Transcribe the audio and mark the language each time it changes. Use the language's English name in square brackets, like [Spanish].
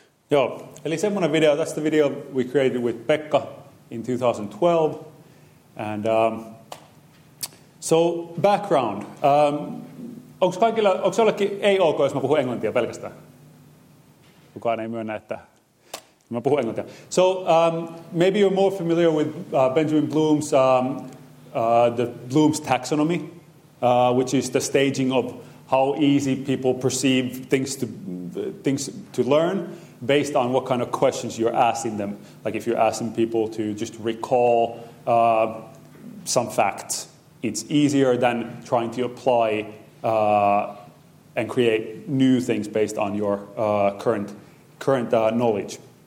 [Finnish] Joo, eli semmoinen video, [English] that's the video we created with Pekka in 2012. And so background. [Finnish] Onko kaikilla, onko se jollekin ei ok, jos mä puhun englantia pelkästään? Kukaan ei myönnä, että mä puhun englantia. [English] So maybe you're more familiar with Benjamin Bloom's, the Bloom's taxonomy, which is the staging of how easy people perceive things to learn. Based on what kind of questions you're asking them. Like if you're asking people to just recall some facts, it's easier than trying to apply and create new things based on your current knowledge.